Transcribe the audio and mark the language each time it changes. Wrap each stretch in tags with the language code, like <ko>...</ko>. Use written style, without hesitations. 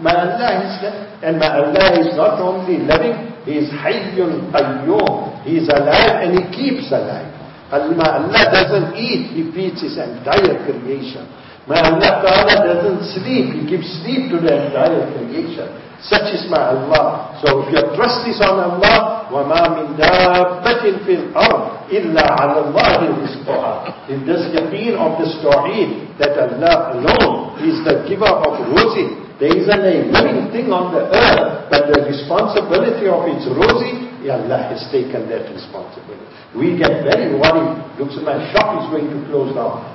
<en>My Allah is there, and my Allah is not only loving, He is Hayyun Qayyum. He is alive and He keeps alive. Allah doesn't eat, He feeds His entire creation. My Allah Ta'ala doesn't sleep, He gives sleep to the entire creation. Such is my Allah. So if your trust is on Allah,</en> <ar>وَمَا مِنْ دَابَّةٍ فِي الْأَرْضِ إِلَّا عَلَى اللَّهِ الْمِسْقُعَى.</ar> <en>In this yaqeen of the story, that Allah alone is the giver of rosy. There isn't a living thing on the earth, but the responsibility of its rosy, Allah has taken that responsibility. We get very worried. Looks like my shop is going to close now.</en>